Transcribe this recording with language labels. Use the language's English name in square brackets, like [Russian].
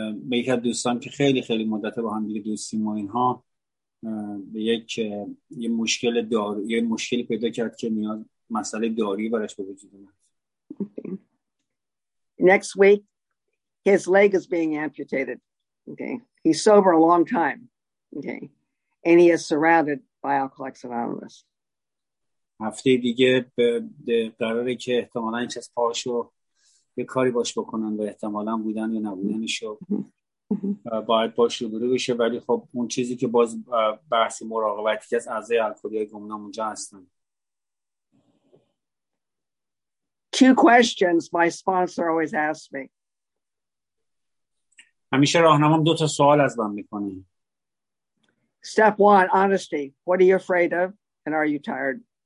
[Persian] یک دوستان که خیلی خیلی مدت با هم دیگه دوستیم و اینها به یک مشکل داروی مشکلی پیدا کرد که نیاز مسئله داروی براش به وجود اومد. [English] Next week, his leg is being amputated. Okay. He's sober a long time, okay, and he is surrounded by Alcoholics Anonymous. [Persian] هفته دیگه قراره که احتمالاً این چیز پاشو یه کاری باش بکنن و احتمالاً بودن یا نبودنشو باید باش روبرو بشه ولی خب اون چیزی که باز بحث مراقبتی که از اعضای الکلی‌های گمنام اونجا هستن. [English] Two questions my sponsor always asks me. [Persian] همیشه راهنمام دو تا سوال از من میکنه. [English] Step one, honesty. What are you afraid of and are you tired?